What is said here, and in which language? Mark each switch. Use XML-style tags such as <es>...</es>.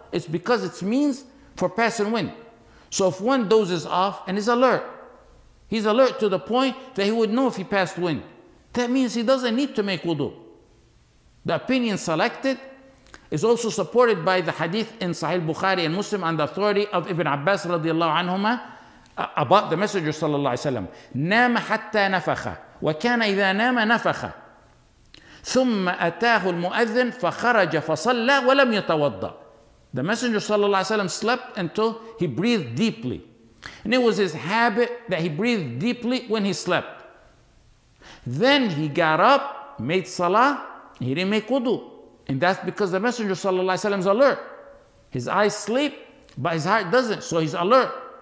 <en>It's because it's means for passing wind. So if one dozes off and is alert, he's alert to the point that he would know if he passed wind. That means he doesn't need to make wudu. The opinion selected is also supported by the hadith in Sahih Bukhari and Muslim on the authority of Ibn Abbas radiallahu anhuma about the Messenger sallallahu alayhi wa sallam.</en> <ar>نام حتى نفخ وكان إذا نام نفخ ثم أتاه المؤذن فخرج فصلى ولم يتوضى.</ar> <en>The Messenger sallallahu alayhi wa sallam slept until he breathed deeply. And it was his habit that he breathed deeply when he slept. Then he got up, made salah, he didn't make wudu. And that's because the Messenger sallallahu alayhi wa sallam is alert. His eyes sleep, but his heart doesn't, so he's alert.</en>